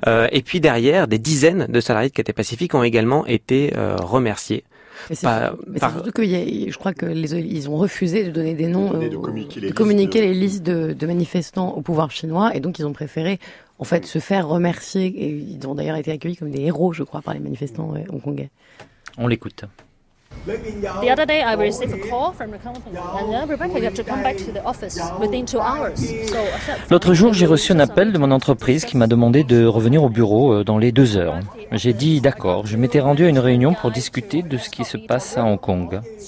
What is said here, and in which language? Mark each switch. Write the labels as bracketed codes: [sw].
[fr] Et puis derrière, des dizaines de salariés de Cathay Pacific ont également été remerciés. Je crois qu'ils ont refusé de donner des noms, de communiquer les listes de manifestants au pouvoir chinois, et donc ils ont préféré en fait se faire remercier, et ils ont d'ailleurs été accueillis comme des héros, je crois, par les manifestants hongkongais. On l'écoute. [en] The other day I received a call from the company and then Rebecca, you have to come back to the office within 2 hours. So [fr] l'autre jour, j'ai reçu un appel de mon entreprise qui m'a demandé de revenir au bureau dans les 2 heures. J'ai dit d'accord, je m'étais rendu à une réunion pour discuter de ce qui se passe à Hong Kong.